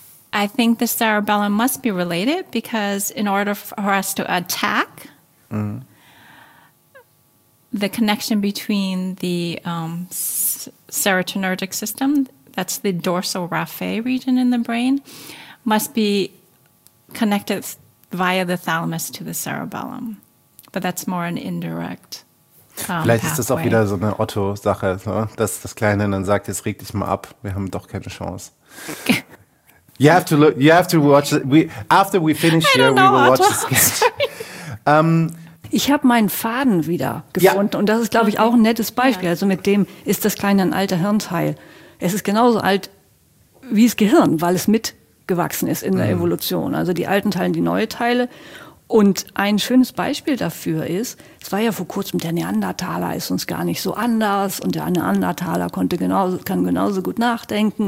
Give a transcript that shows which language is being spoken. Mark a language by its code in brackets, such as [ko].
[en] I think the cerebellum must be related because in order for us to attack, the connection between the serotonergic system, that's the dorsal raphe region in the brain, must be connected via the thalamus to the cerebellum. But that's more an indirect [de] Vielleicht pathway. Ist das auch wieder so eine Otto-Sache, so, dass das Kleine dann sagt, jetzt reg dich mal ab, wir haben doch keine Chance. [en] After we finish here, we will watch the sketch. [de] Ich habe meinen Faden wieder gefunden und das ist, glaube ich, auch ein nettes Beispiel. Also mit dem ist das Kleine ein alter Hirnteil. Es ist genauso alt wie das Gehirn, weil es mitgewachsen ist in der Evolution. Also die alten Teile, die neue Teile. Und ein schönes Beispiel dafür ist, es war ja vor kurzem, der Neandertaler ist uns gar nicht so anders und der Neandertaler kann genauso gut nachdenken.